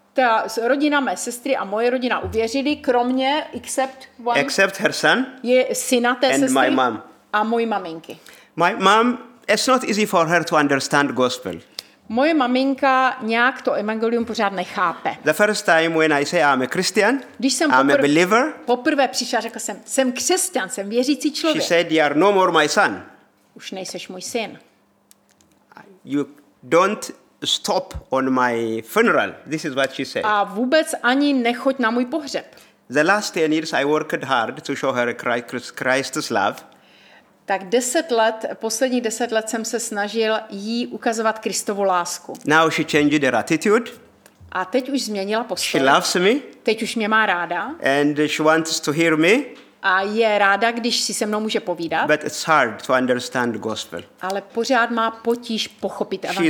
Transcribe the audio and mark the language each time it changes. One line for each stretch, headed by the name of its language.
Czech: ta rodina mé sestry a moje rodina uvěřili, kromě
English: except one. Except her son.
Czech: Je syna té sestry.
English: And my mom.
Czech: A moje maminky.
English: My mom, it's not easy for her to understand gospel.
Czech: Moje maminka nějak to evangelium pořád nechápe.
English: The first time when I say I'm a Christian, I'm a believer.
Czech: Poprvé přišla, řekla jsem, jsem křesťan, jsem věřící člověk.
English: She said, you are no more my son.
Czech: Už nejseš můj syn.
English: You don't stop on my funeral. This is what she said.
Czech: A vůbec ani nechoď na můj pohřeb.
English: The last 10 years I worked hard to show her Christ's love.
Czech: Tak 10 let, posledních 10 let jsem se snažil jí ukazovat Kristovu lásku.
English: Now she changed her attitude.
Czech: A teď už změnila postoj.
English: She loves me.
Czech: Teď už mě má ráda.
English: And she wants to hear me.
Czech: A je ráda, když si se mnou může povídat.
English: But it's hard to understand gospel.
Czech: Ale pořád má potíž pochopit evangelium.